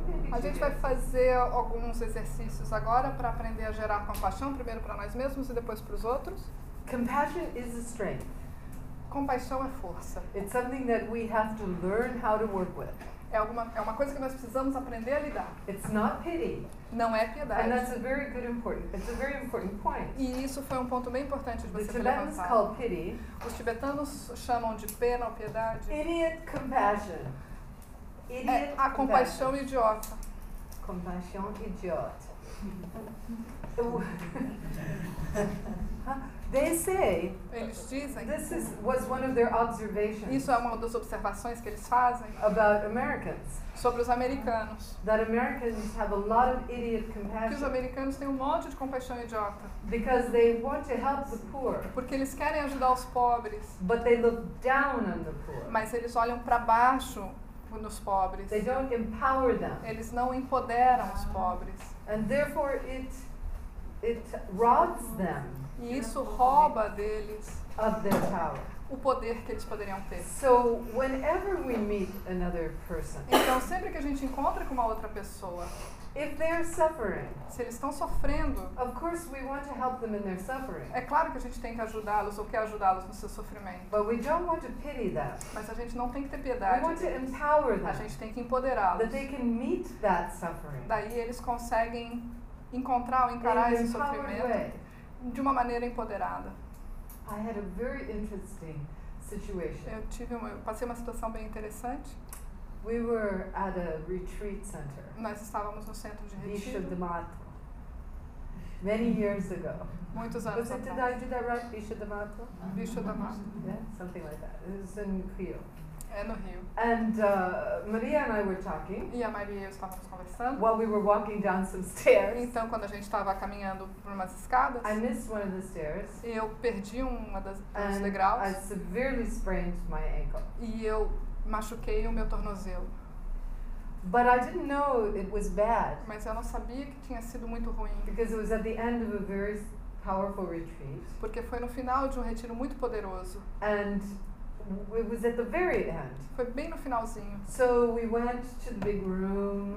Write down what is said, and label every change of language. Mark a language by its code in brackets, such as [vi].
[pt] a gente vai fazer alguns exercícios agora para aprender a gerar compaixão, primeiro para nós mesmos e depois para os outros. [en] Compassion is a strength. [pt] Compaixão é força. [en] It's something that we have to learn how to work with. [pt] É uma coisa que nós precisamos aprender a lidar. [en] It's not pity. [pt] Não é piedade. [en] And that's a very good important. It's a very important point. [pt] E isso foi um ponto bem importante de você levantar. [en] The Tibetans call pity. [pt] Os tibetanos chamam de pena ou piedade. [en] Idiot compassion. [pt] A compaixão idiota. Compaixão idiota. [en] They say. [pt] Eles dizem. [en] This is was one of their observations. [pt] Isso é uma das observações que eles fazem. [en] About Americans. [pt] Sobre os americanos. [en] That Americans have a lot of idiot compassion. [pt] Que os americanos têm um monte de compaixão idiota. [en] Because they want to help the poor. [pt] Porque eles querem ajudar os pobres. [en] But they look down on the poor. [pt] Mas eles olham para baixo nos pobres. [en] They don't empower them. [pt] Eles não empoderam os pobres. [en] And therefore it robs them. [pt] E isso rouba deles [en] of their power. [pt] O poder que eles poderiam ter. [en] So, whenever we meet another person, [pt] então, sempre que a gente encontra com uma outra pessoa, [en] if they are suffering, [pt] se eles estão sofrendo, [en] of course we want to help them in their suffering. [pt] É claro que a gente tem que ajudá-los ou quer ajudá-los no seu sofrimento. [en] But we don't want to pity them. [pt] Mas a gente não tem que ter piedade. [en] We want to empower them. [pt] A gente tem que empoderá-los. [en] That they can meet that suffering. [pt] Daí eles conseguem encontrar ou encarar [en] in [pt] esse sofrimento. [en] Way. [pt] De uma maneira empoderada. [en] I had a very interesting situation. [pt] Eu passei uma situação bem interessante. [en] We were at a retreat center. [pt] Nós estávamos no centro de retiro. [en] Bishop de Mato. Many years ago. [pt] Muitos anos atrás. [en] Did I do that right? Bishop de Mato? Bishop de Mato. Yeah, something like that. It was in Rio. [pt] É no Rio. [en] And Maria and I were talking. [pt] E a Maria e eu estávamos conversando. [en] While we were walking down some stairs. [pt] Então, quando a gente estava caminhando por umas escadas. [en] I missed one of the stairs. [pt] E eu perdi uma das degraus. [en] And I severely sprained my ankle. [pt] E eu machuquei o meu tornozelo. [en] But I didn't know it was bad. [pt] Mas eu não sabia que tinha sido muito ruim. [en] Because it was at the end of a very powerful retreat. [pt] Porque foi no final de um retiro muito poderoso. [en] And it was at the very end. [pt] Foi bem no finalzinho. [en] So we went to the big room.